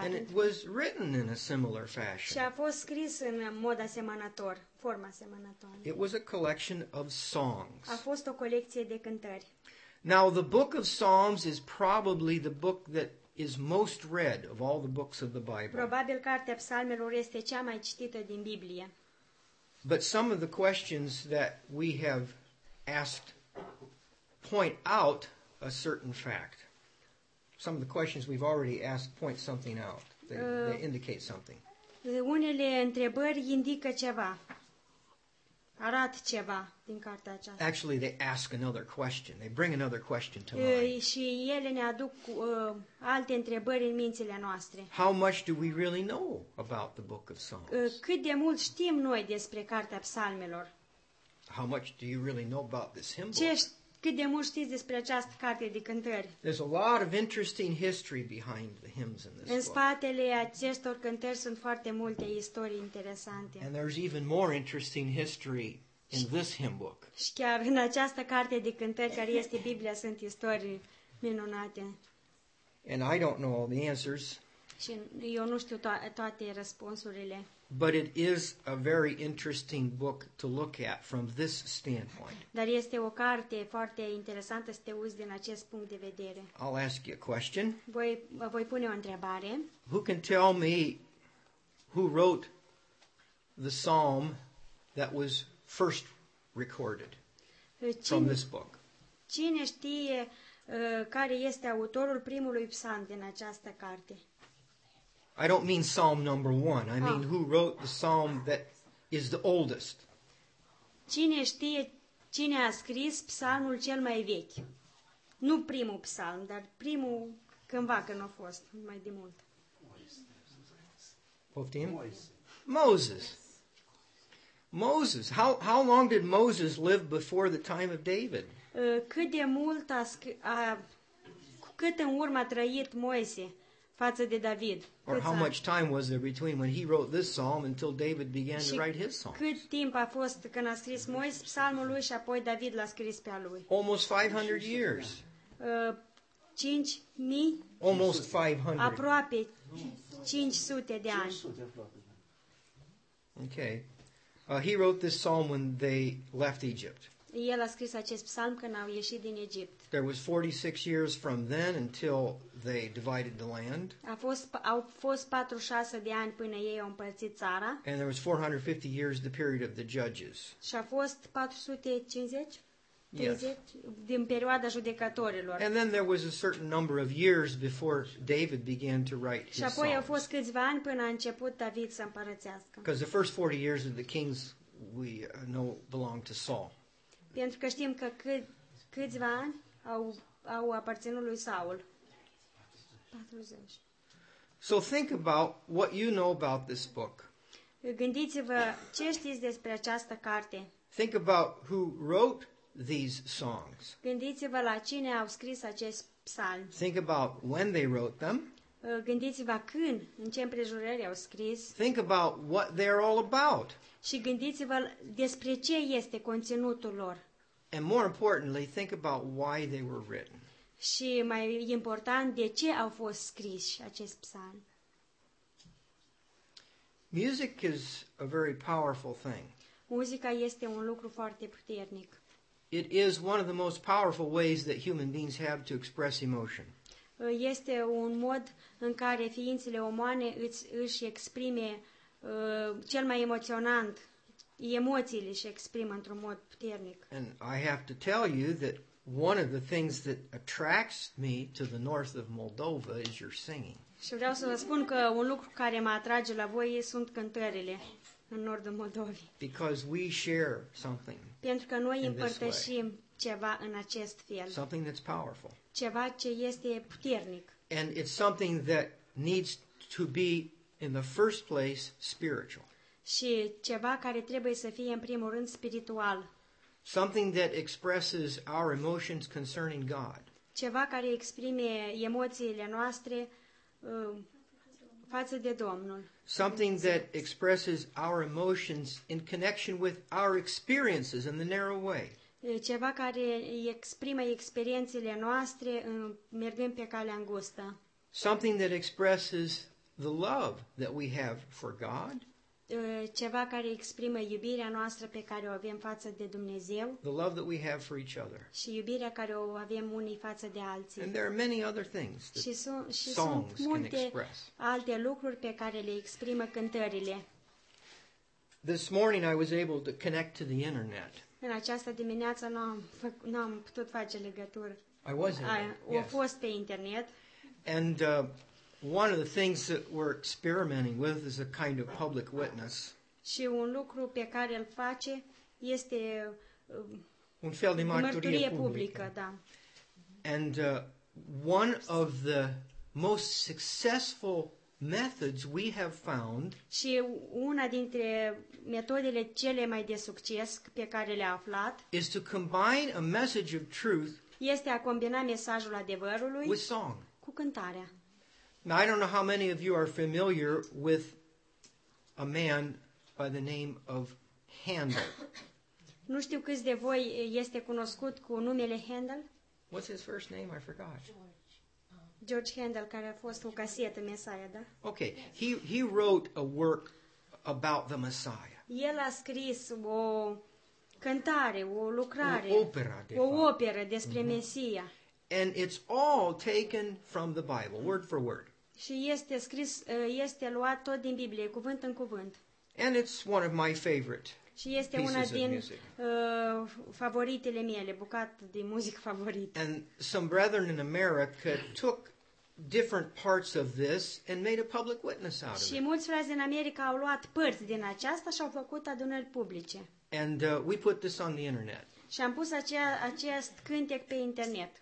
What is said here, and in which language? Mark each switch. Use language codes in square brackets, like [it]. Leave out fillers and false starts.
[en] and it was written in a similar fashion. [ro] Și a fost scris în mod asemănător, forma asemănătoare. [en] It was a collection of songs. [ro] A fost o colecție de cântări. [en] Now the book of Psalms is probably the book that is most read of all the books of the Bible. [ro] Probabil cartea psalmelor este cea mai citită din Biblie. [en] But some of the questions that we have asked point out a certain fact. Some of the questions we've already asked point something out. They indicate something. [ro] Unele întrebări indică ceva. Arată ceva din cartea aceasta. [en] Actually, they ask another question. They bring another question to mind. [ro] Și ele ne aduc alte întrebări în mințile noastre. [en] How much do we really know about the Book of Psalms? [ro] Cât de mult știm noi despre cartea psalmelor? [en] How much do you really know about this hymn book? [ro] Cât de mult știți despre această carte de cântări? [en] There's a lot of interesting history behind the hymns in this book. [ro] În spatele acestor cântări sunt foarte multe istorii interesante. [en] And there's even more interesting history in this hymn book. [ro] Și chiar în această carte de cântări care este Biblia sunt istorii minunate. [en] And I don't know all the answers. [ro] Și eu nu știu toate răspunsurile. [en] But it is a very interesting book to look at from this standpoint. [ro] Dar este o carte foarte interesantă să te uiți din acest punct de vedere. [en] I'll ask you a question. [ro] Voi pune o întrebare. [en] Who can tell me who wrote the psalm that was first recorded from this book? [ro] Cine știe care este autorul primului psalm din această carte? [en] I don't mean Psalm number one. I mean who wrote the psalm that is the oldest. [ro] Cine știe cine a scris psalmul cel mai vechi? Nu primul psalm, dar primul cândva când a fost, mai de mult. Poftim? Moses. Moses. [en] How long did Moses live before the time of David? [ro] Cât de mult cât în urmă a trăit Moise? Față de David. [en] Or how much time was there between when he wrote this psalm until David began to write his psalm? [ro] Cât timp a fost când a scris Moise psalmul lui și apoi David l-a scris pe al lui? [en] Almost 500 years. 5000? Almost 500. [ro] Aproape 500 de ani. [en] Okay. He wrote this psalm when they left Egypt. [ro] El a scris acest psalm când au ieșit din Egipt. [en] There was 46 years from then until they divided the land. [ro] Au fost 46 de ani până ei au împărțit țara. [en] And there was 450 years the period of the judges. [ro] Și a fost 450? [en] Yes. [ro] Din perioada judecătorilor. [en] And then there was a certain number of years before David began to write his psalms. [ro] Și apoi au fost câțiva ani până a început David să împărățească. [en] Because the first 40 years of the kings we know belong to Saul. [ro] Pentru că știm că câțiva ani au aparținut lui Saul. 40. [en] So think about what you know about this book. [ro] Gândiți-vă ce știți despre această carte. [en] Think about who wrote these songs. [ro] Gândiți-vă la cine au scris acest psalm. [en] Think about when they wrote them. [ro] Gândiți-vă când, în ce împrejurări au scris. [en] Think about what they're all about. [ro] Și gândiți-vă despre ce este conținutul lor. [en] And more importantly, think about why they were written. [ro] Și mai important, de ce au fost scriși acest psalm. [en] Music is a very powerful thing. [ro] Muzica este un lucru foarte puternic. [en] It is one of the most powerful ways that human beings have to express emotion. [ro] Este un mod în care ființele umane își exprime cel mai emoționant emoțiile și exprimă într-un mod puternic. [en] And I have to tell you that one of the things that attracts me to the north of Moldova is your singing. [ro] Și vreau să vă spun că un lucru care mă atrage la voi sunt cântările în nordul Moldovei. [en] Because we share something. [ro] Pentru că noi împărtășim ceva în acest fel. [en] Something that's powerful. [ro] Ceva ce este puternic. [en] And it's something that needs to be in the first place spiritual. [ro] Și ceva care trebuie să fie în primul rând spiritual. [en] Something that expresses our emotions concerning God. [ro] Ceva care exprime emoțiile noastre față de Domnul. [en] Something that expresses our emotions in connection with our experiences in the narrow way. [ro] Ceva care exprimă experiențele noastre mergând pe calea îngustă. [en] Something that expresses the love that we have for God. [ro] Ceva care exprimă iubirea noastră pe care o avem față de Dumnezeu. [en] The love that we have for each other. [ro] Și iubirea care o avem unii față de alții. [en] And there are many other things that songs can express. [ro] Și sunt multe alte lucruri pe care le exprimă cântările. [en] This morning I was able to connect to the internet. [ro] În această dimineață n-am putut face legătură. [en] I was able. [ro] A fost pe internet. [en] And one of the things that we're experimenting with is a kind of public witness. [ro] Și un lucru pe care îl face este un fel de mărturie publică, da. [en] And one of the most successful methods we have found. [ro] Și una dintre metodele cele mai de succes pe care le-a aflat [en] is to combine a message of truth. [ro] Este a combina mesajul adevărului [en] with song. [ro] Cu cântarea. [en] Now, I don't know how many of you are familiar with a man by the name of Handel. [ro] Nu știu câți de voi este cunoscut cu numele Handel. [en] What's his first name? I forgot. [ro] George Handel, care a fost o casetă Messiah, da? [en] Okay. He wrote a work about the Messiah. [ro] El a scris o cântare, o lucrare, o operă despre Mesia. [en] And it's all taken from the Bible, word for word. [ro] Și este scris, este luat tot din Biblie, cuvânt în cuvânt. [en] And it's one of my favorite. [ro] Și este una din favoritele mele, bucată de muzică favorită. [en] And some brethren in America took different parts of this and made a public witness out of it. [ro] Și mulți frați din America au luat părți din aceasta și au făcut adunări publice. [en] And we put this on the internet. [ro] Și am pus acest cântec pe internet.